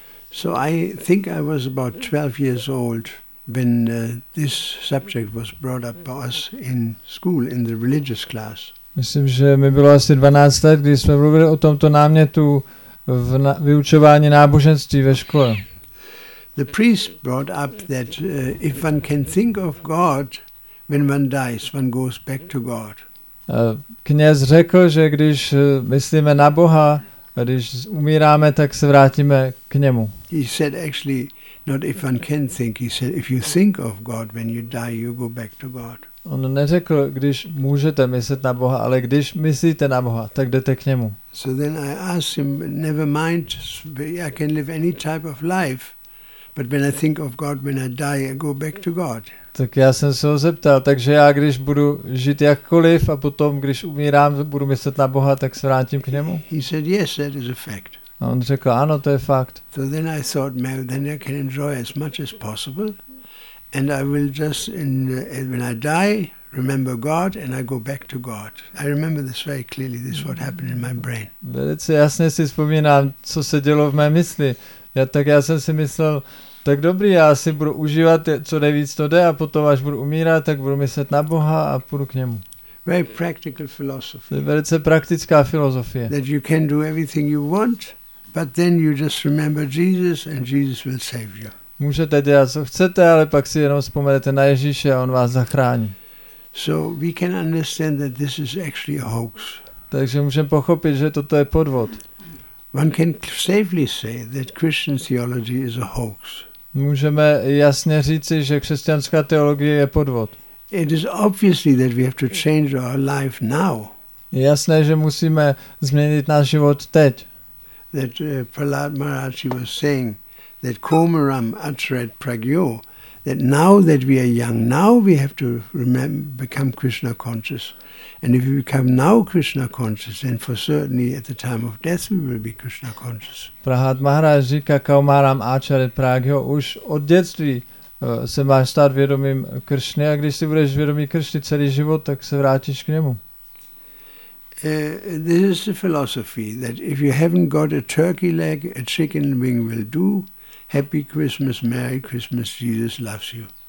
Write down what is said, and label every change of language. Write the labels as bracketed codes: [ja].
[en] So I think I was about 12 years old when this subject was brought up by us in school in the religious class. [cs] Myslím, že mi bylo asi 12 let, když jsme mluvili o tomto námětu v vyučování náboženství ve škole. [en] The priest brought up that if one can think of God when one dies, one goes back to God. [cs] Kněz řekl, že když myslíme na Boha, když umíráme, tak se vrátíme k němu. [en] He said actually not if one can think, he said if you think of God when you die, you go back to God. [cs] On neřekl, když můžete myslet na Boha, ale když myslíte na Boha, tak jdete k němu. [en] So then I asked him, never mind, I can live any type of life, but when I think of God when I die, I go back to God. [cs] Tak já jsem se ho zeptal, takže já když budu žít jakkoliv a potom, když umírám, budu myslet na Boha, tak se vrátím k němu? [en] He said, yes, that is a fact. [cs] A on řekl, ano, to je fakt. [en] So then I thought, then I can enjoy as much as possible and I will just, when I die, remember God and I go back to God. I remember this very clearly, this is what happened in my brain. [cs] Velice jasně si vzpomínám, co se dělo v mé mysli. Já jsem si myslel, tak dobrý, já si budu užívat, co nejvíc to jde, a potom, až budu umírat, tak budu myslet na Boha a půjdu k němu. [en] Very practical philosophy. [cs] To je velice praktická filozofie. [en] That you can do everything you want, but then you just remember Jesus and Jesus will save you. [cs] Můžete dělat, co chcete, ale pak si jenom vzpomenete na Ježíše a on vás zachrání. [en] So we can understand that this is actually a hoax. [cs] Takže můžeme pochopit, že toto je podvod. [en] One can safely say that Christian theology is a hoax. [cs] Můžeme jasně říci, že křesťanská teologie je podvod. [en] It is obviously that we have to change our life now. [cs] Jasné, že musíme změnit náš život teď. [en] That Prahlad Maharaji was saying that [sa] Komaram Acharet Pragyo, [en] that now that we are young, now we have to become Krishna conscious. And if you become now Krishna conscious, then for certainly at the time of death we will be Krishna conscious. [cs] Prahlad Maharaj říká [sa] Kaumaram Acharet Pragyo, [cs] už od dětství se máš stát vědomým Kršny a když si budeš vědomý Kršny celý život, tak se vrátíš k němu. [en] This is the philosophy that if you haven't got a turkey leg, a chicken wing will do. Happy Christmas, Merry Christmas, Jesus loves you.